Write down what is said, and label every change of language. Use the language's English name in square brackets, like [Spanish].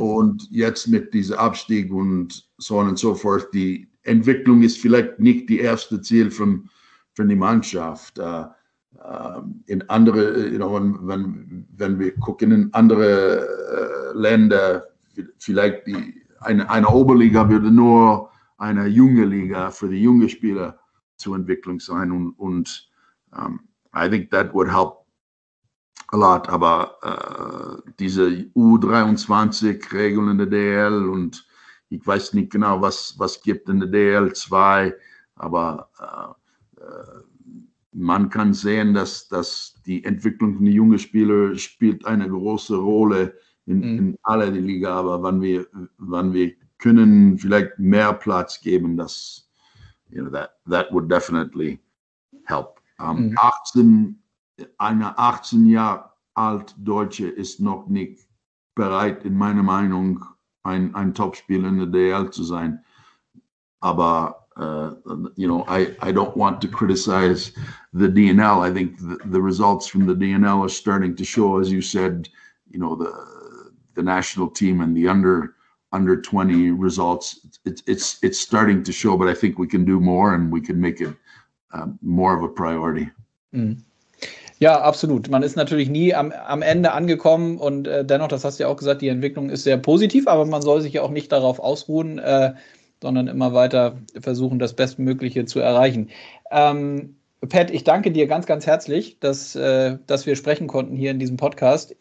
[German] Und jetzt mit diesem Abstieg und so on und so fort, die Entwicklung ist vielleicht nicht die erste Ziel von der Mannschaft. In andere, you know, wenn wir gucken in andere Länder, vielleicht eine Oberliga würde nur eine junge Liga für die jungen Spieler zur Entwicklung sein. [English] Und I think that would help a lot. [German] Aber diese U23-Regeln in der DL und ich weiß nicht genau, was gibt in der DL2, aber man kann sehen, dass die Entwicklung von jungen Spielern spielt eine große Rolle in aller die Liga. Aber wenn wir können vielleicht mehr Platz geben, das, you know, [English] that would definitely help. [German] 18 Jahre alt Deutsche ist noch nicht bereit, in meiner Meinung, ein Topspieler in der DL zu sein. [English] Aber you know, I don't want to criticize the DNL. I think the results from the DNL are starting to show, as you said, you know, the national team and the under 20 results. It's starting to show, but I think we can do more and we can make it more of a priority. [German] Mm. Ja, absolut. Man ist natürlich nie am Ende angekommen und dennoch, das hast du ja auch gesagt, die Entwicklung ist sehr positiv, aber man soll sich ja auch nicht darauf ausruhen, sondern immer weiter versuchen, das Bestmögliche zu erreichen. Pat, ich danke dir ganz, ganz herzlich, dass wir sprechen konnten hier in diesem Podcast.